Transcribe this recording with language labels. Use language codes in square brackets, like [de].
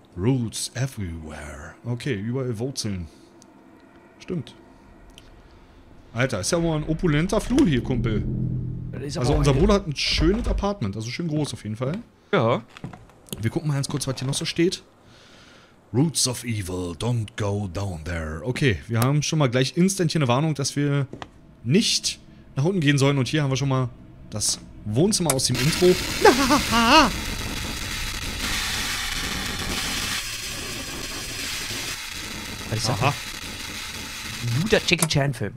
[en] Roots everywhere. [de] Okay, überall Wurzeln. Stimmt. Alter, ist ja mal ein opulenter Flur hier, Kumpel. Also unser Bruder hat ein schönes Apartment, also schön groß auf jeden Fall. Ja. Wir gucken mal ganz kurz, was hier noch so steht. [en] Roots of Evil, don't go down there. [de] Okay, wir haben schon mal gleich instant hier eine Warnung, dass wir nicht nach unten gehen sollen. Und hier haben wir schon mal das Wohnzimmer aus dem Intro. Aha. Guter Jackie Chan Film.